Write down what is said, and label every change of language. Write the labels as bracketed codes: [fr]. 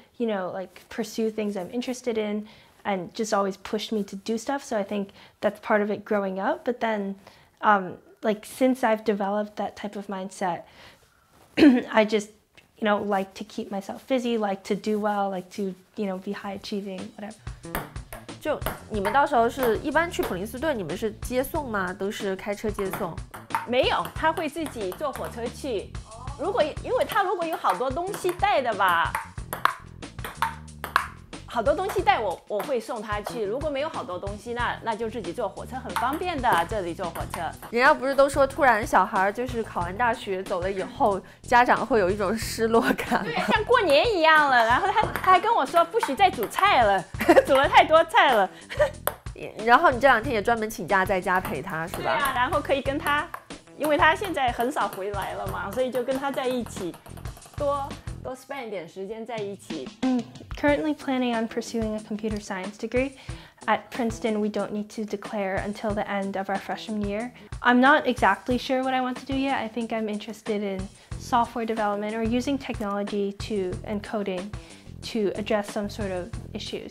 [en] You know, like pursue things I'm interested in and just always pushed me to do stuff. So I think that's part of it growing up. But then, like, since I've developed that type of mindset, I just, you know, like to keep myself busy, like to do well, like to, you know, be high achieving, whatever. [zh] 就你们到时候是一般去普林斯顿，你们是接送吗？都是开车接送？没有，他会自己坐火车去。如果，因为他如果有好多东西带的吧。好多东西带我会送他去，如果没有好多东西那就自己坐火车，很方便的，这里坐火车。人家不是都说突然小孩就是考完大学走了以后家长会有一种失落感，对，像过年一样了。然后他还跟我说不许再煮菜了，煮了太多菜了。然后你这两天也专门请假在家陪他是吧？对啊，然后可以跟他，因为他现在很少回来了嘛，所以就跟他在一起多 spend 一点时间在一起。 [en] Currently planning on pursuing a computer science degree. At Princeton, we don't need to declare until the end of our freshman year. I'm not exactly sure what I want to do yet. I think I'm interested in software development or using technology and coding to address some sort of issues.